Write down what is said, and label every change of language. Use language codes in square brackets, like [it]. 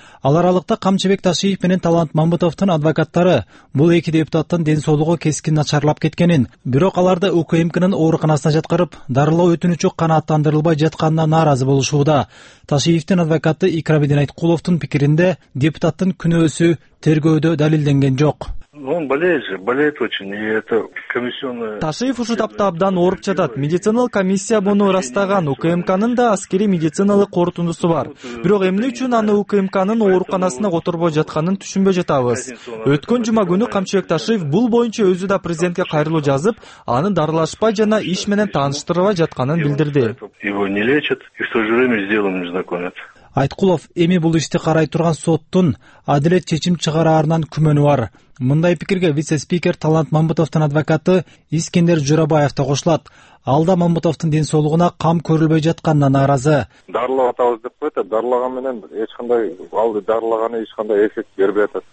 [ky] Ал аралыкта Камчыбек Ташиев менен Талант Мамбутовдун адвокаттары бул эки депутаттын ден соолугу кескин начарлап кеткенин, бирок аларды УКМКнын ооруканасына жаткырып, дарылоо өтүнүчү канааттандырылбай жатканына нааразы болушууда. Ташиевдин адвокаты Икрабидин Айткуловдун пикиринде депутаттын күнөөсү тергөөдө далилденген жок. [ru] Он болеет очень, и это комиссионная. [ky] Ташиев ушу тапта абдан ооруп жатат. Медициналык комиссия муну ырастаган, УКМКнын да аскери медициналык корутундусу бар. Бирок эмне үчүн аны УКМКнын ооруканасына которбой жатканын түшүнбөй жатабыз. Өткөн жума күнү Камчыбек Ташиев бул боюнча өзү да президентке кайрылуу жазып, аны дарылашпай жана иш менен тааныштырбай жатканын билдирди. [ru] Его не лечат, и в то же время с делом не знакомят. [ky] Айткулов эми бул ишти карай турган соттун адилет чечим чыгарарынан күмөнү бар. Мындай пикирге вице-спикер Талант Мамбутовдун адвокаты Искендер Журабаев да кошулат. Ал да Мамбутовдун ден соолугуна кам көрүлбөй жатканына нааразы. Дарылап атабыз деп коет, дарылаган менен эч кандай ал дарылаганы эч кандай эффект бербей атат.